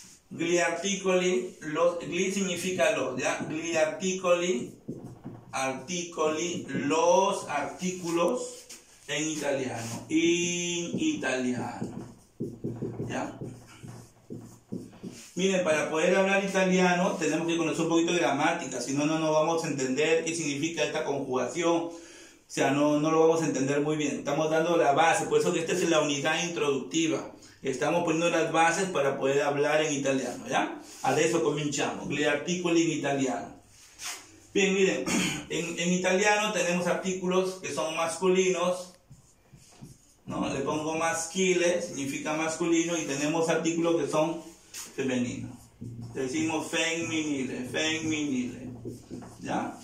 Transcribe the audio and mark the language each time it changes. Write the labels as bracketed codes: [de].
[it] Gli articoli, [es] gli significa los, ¿ya? [it] Gli articoli, articoli, [es] los artículos. En italiano, [it] in italiano, [es] ¿ya? Miren, para poder hablar italiano tenemos que conocer un poquito de gramática, si no, no vamos a entender qué significa esta conjugación, o sea, no lo vamos a entender muy bien. Estamos dando la base, por eso que esta es la unidad introductiva, estamos poniendo las bases para poder hablar en italiano, ¿ya? [it] Adesso cominciamo, gli articoli in italiano. [es] Bien, miren, en italiano tenemos artículos que son masculinos, ¿no? Le pongo maschile, significa masculino, y tenemos artículos que son femeninos. Le decimos femminile, femminile, ¿ya?